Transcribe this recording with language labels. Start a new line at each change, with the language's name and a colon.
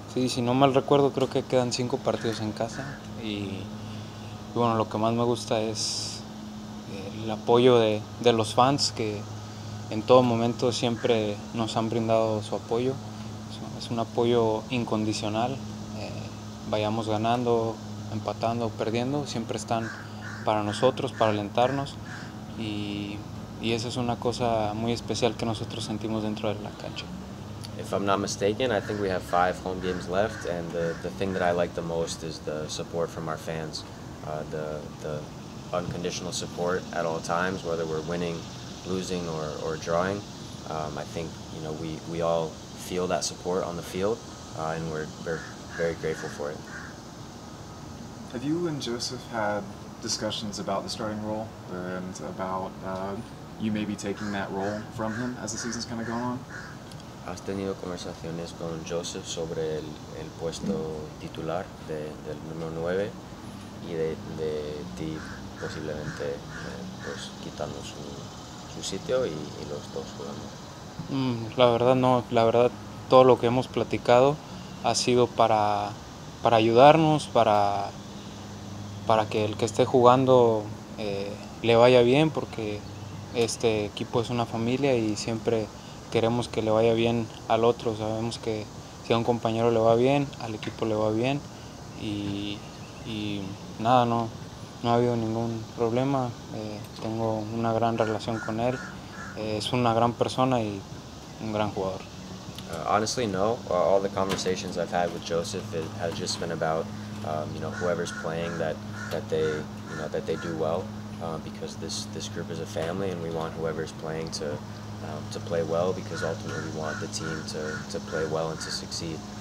Spanish: Sí, si no mal recuerdo, creo que quedan 5 partidos en casa y bueno, lo que más me gusta es el apoyo de los fans, que en todo momento siempre nos han brindado su apoyo. Es un apoyo incondicional, vayamos ganando, empatando, perdiendo, siempre están para nosotros, para alentarnos, y esa es una cosa muy especial que nosotros sentimos dentro de la cancha.
English: If I'm not mistaken, I think we have 5 home games left, and the thing that I like the most is the support from our fans, the unconditional support at all times, whether we're winning, losing, or drawing. I think, you know, we all feel that support on the field, and we're very grateful for it. Have you and Joseph had discussions about the starting role and about you maybe taking that role from him as the season's kind of gone on?
Spanish: ¿Has tenido conversaciones con Joseph sobre el puesto titular del número 9 y de ti posiblemente pues quitando su sitio y los dos jugando? La verdad no, la verdad todo lo que hemos platicado ha sido para ayudarnos, para que el que esté jugando le vaya bien, porque este equipo es una familia y siempre queremos que le vaya bien al otro. Sabemos que si a un compañero le va bien, al equipo le va bien, y nada, no ha habido ningún problema. Tengo una gran relación con él, es una gran persona y un gran jugador.
English: Honestly, no. All the conversations I've had with Joseph has just been about, you know, whoever's playing, that they do well, because this group is a family, and we want whoever's playing to play well, because ultimately we want the team to play well and to succeed.